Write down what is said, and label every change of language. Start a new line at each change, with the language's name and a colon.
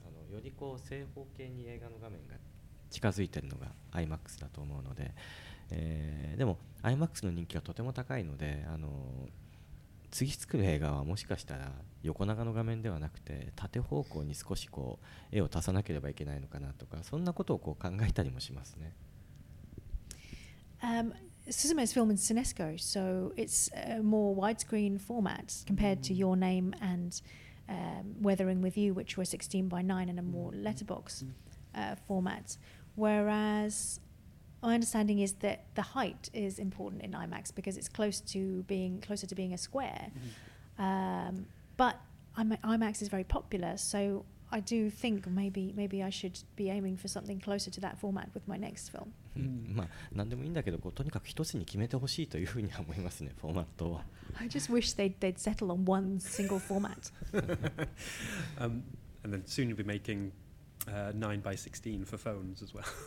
Japanese: よりこう正方形に映画の画面が近づいてるのが IMAX だと思うので、でも IMAX の人気はとても高いので、次作る映画はもしかしたら横長の画面ではなくて縦方向に少しこう絵を足さなければいけないのかなとか、そんなことをこう考えたりもしますね。
English: Suzume is filmed in Cinesco, so it's a more widescreen format compared to Your Name and Weathering with You, which were 16:9 in a more letterbox format. Whereas my understanding is that the height is important in IMAX because it's closer to being a square. But IMAX is very popular, so I do think maybe I should be aiming for something closer to that format with my next film.
Japanese: まあ何でもいいんだけど、とにかく一つに決めてほしいというふうには思いますね、フォーマットは。
English: I just wish they'd settle on one single format. And then soon you'll be making 9:16 for phones as well.